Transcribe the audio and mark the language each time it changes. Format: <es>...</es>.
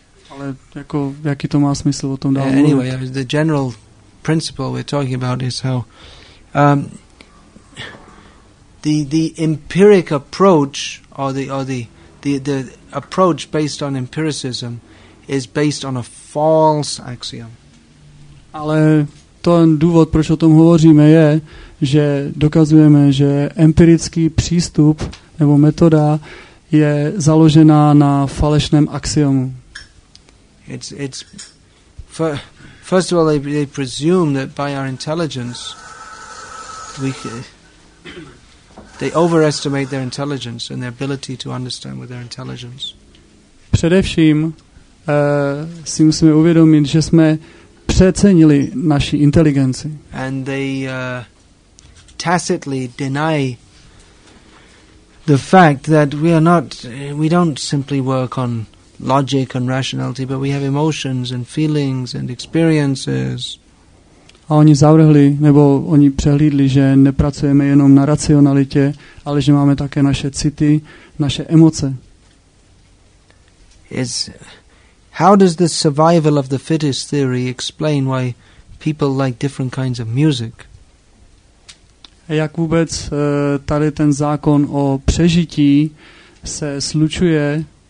<cs>Ale jako, jaký to má smysl o tom dál mluvit?</cs> <en>Anyway, the general principle we're talking about is how the empiric approach or the approach based on empiricism is based on a false axiom.</en> <cs>Ale ten důvod, proč o tom hovoříme, je, že dokazujeme, že empirický přístup nebo metoda je založená na falešném axiomu.</cs> <en>It's first of all, they presume that by our intelligence they overestimate their intelligence and their ability to understand with their intelligence.</en> <cs>Především si musíme uvědomit, že jsme přecenili naši inteligenci.</cs> <en>And they tacitly deny the fact that we don't simply work on logic and rationality, but we have emotions and feelings and experiences.</en> <cs>A oni zavrhli, nebo oni přehlídli, že nepracujeme jenom na racionalitě, ale že máme také naše city, naše emoce.</cs> <en>How does the survival of the fittest theory explain why people like different kinds of music?</en> <cs>Jak vůbec tady ten zákon o přežití se slučuje?</cs>